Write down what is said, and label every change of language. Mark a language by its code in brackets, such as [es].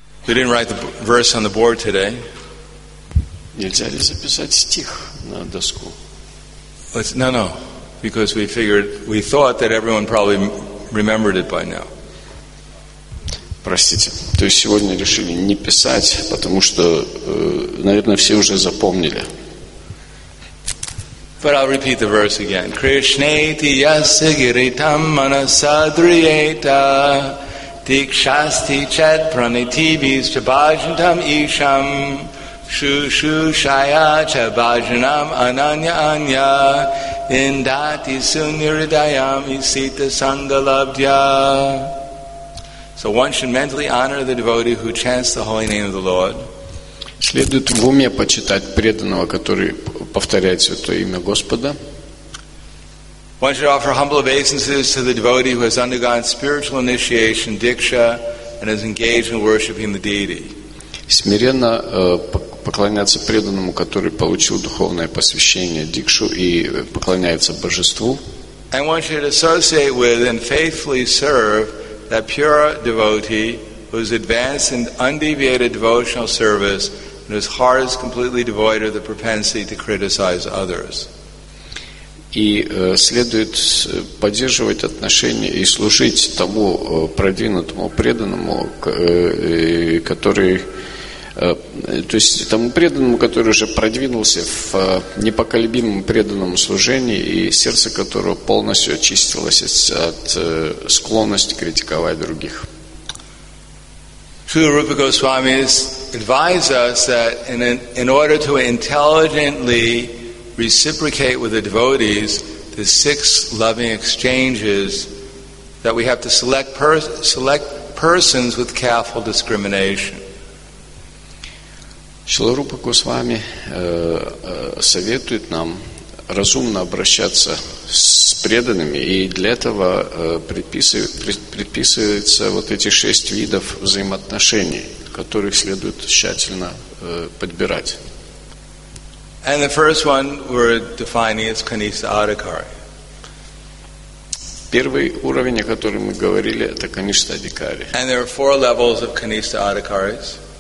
[en] We didn't write the verse on the board today. [ru] Нельзя ли записать стих на доску? [en] No, because we thought that everyone probably remembered it by now. [ru] Простите, то есть сегодня решили не писать, потому что, наверное, все уже запомнили. [en] But I'll repeat the verse again. [sa] Krishneti yasagiritam manasadriyeta dikshasti chet pranitibis chabajantam isham shushushaya chabajanam ananya anya indati sunyaridayam isita sangalabdhya. [en] So one should mentally honor the devotee who chants the holy name of the Lord. [ru] Следует в уме почитать преданного, который повторяет Святое имя Господа. [en] One should offer humble obeisances to the devotee who has undergone spiritual initiation, diksha, and is engaged in worshiping the deity. [ru] Смиренно поклоняться преданному, который получил духовное посвящение, дикшу, и поклоняется Божеству. [en] And one should associate with and faithfully serve that pure devotee who is advanced in undeviated devotional service and whose heart is completely devoid of the propensity to criticize others. [ru] И следует поддерживать отношения и служить тому продвинутому преданному, который уже продвинулся в непоколебимом преданном служении и сердце которого полностью очистилось от склонности критиковать других. [en] Srila Rupa Goswami advise us that in order to intelligently reciprocate with the devotees, the six loving exchanges, that we have to select persons with careful discrimination. [ru] Srila Rupa Goswami советует нам разумно обращаться с преданными, и для этого предписывается вот эти шесть видов взаимоотношений, которых следует тщательно подбирать. Первый уровень, о котором мы говорили, это Каништа Адикари. [en] And there are four levels of Kanishtha Adhikaris.